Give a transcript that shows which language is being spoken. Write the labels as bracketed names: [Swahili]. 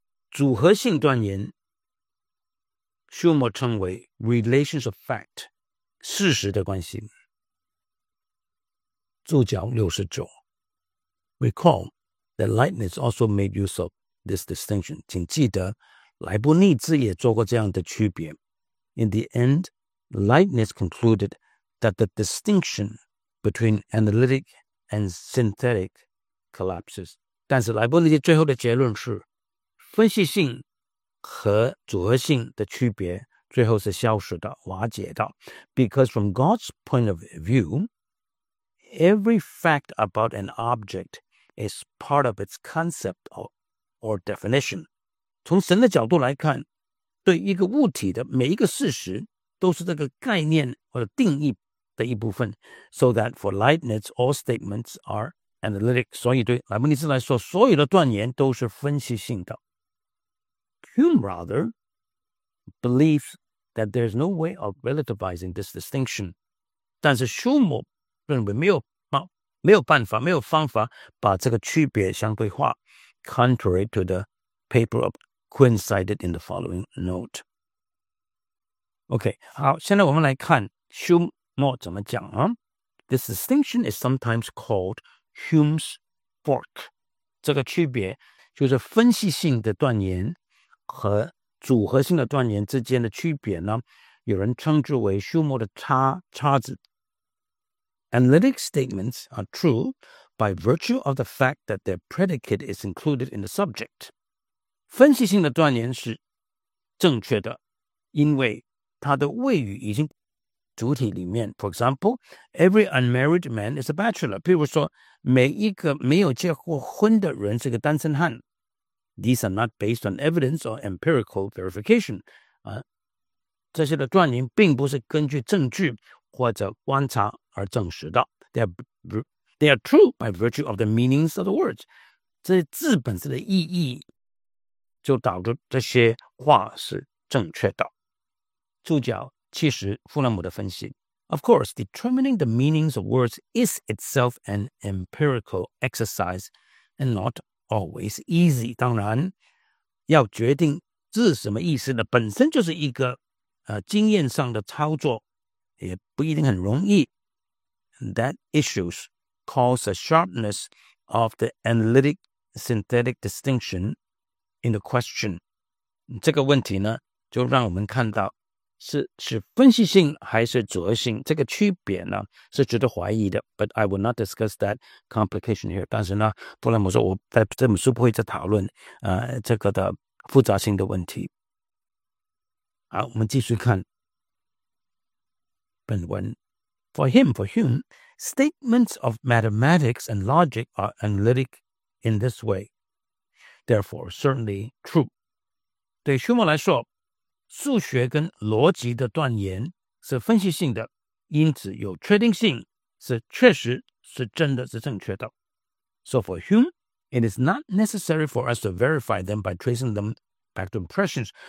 [Chinese] 组合性断言休谟称为 [English] relations of fact, [Chinese] 事实的关系。注脚69。 [English] Recall that Leibniz also made use of this distinction. [Chinese] 请记得莱布尼兹也做过这样的区别。 [English] In the end, Leibniz concluded that the distinction between analytic and synthetic collapses. [Chinese] 但是莱布尼兹最后的结论是分析性和组合性的区别最后是消失的、瓦解的。 [English] Because from God's point of view, every fact about an object is part of its concept or definition. [Chinese] 从神的角度来看，对一个物体的每一个事实都是这个概念或者定义的一部分。 [English] So that for Leibniz, all statements are analytic. [Chinese] 所以对莱布尼兹来说，所有的断言都是分析性的。 [English] Hume, rather, believes that there's no way of relativizing this distinction. [Chinese] 但是休谟认为没有办法、没有方法把这个区别相对化。 [English] Contrary to the paper of Quine cited in the following note. [Chinese] Okay, 好，现在我们来看休谟怎么讲啊。 [English] This distinction is sometimes called Hume's fork. [Chinese] 这个区别就是分析性的断言和组合性的断言之间的区别呢，有人称之为休谟的叉子。 [English] Analytic statements are true by virtue of the fact that their predicate is included in the subject. [Chinese] 分析性的断言是正确的，因为它的谓语已经主体里面。 [English] For example, every unmarried man is a bachelor. [Chinese] 譬如说，每一个没有结过婚的人是个单身汉。 [English] These are not based on evidence or empirical verification. [Chinese] 这些的断言并不是根据证据或者观察而证实的。 [English] They are true by virtue of the meanings of the words. [Chinese] 这些字本身的意义就导致这些话是正确的。注脚70，富勒姆的分析。 [English] Of course, determining the meanings of words is itself an empirical exercise and not always easy. [Chinese] 当然要决定字什么意思呢，本身就是一个经验上的操作，也不一定很容易。 [English] That issues cause a sharpness of the analytic synthetic distinction in the question. [Chinese] 这个问题呢就让我们看到是分析性还是组合性，这个区别呢是值得怀疑的。 [English] But I will not discuss that complication here. [Chinese] 但是呢弗勒姆说我在这本书不会再讨论这个的复杂性的问题。好，我们继续看本文。 [English] For Hume, statements of mathematics and logic are analytic in this way. Therefore, certainly true. [Chinese] 对休谟来说，数学跟逻辑的断言是分析性的，因此有确定性，是确实，是真的，是正确的。 [English] So for Hume, it is not necessary for us to verify them by tracing them back to impressions.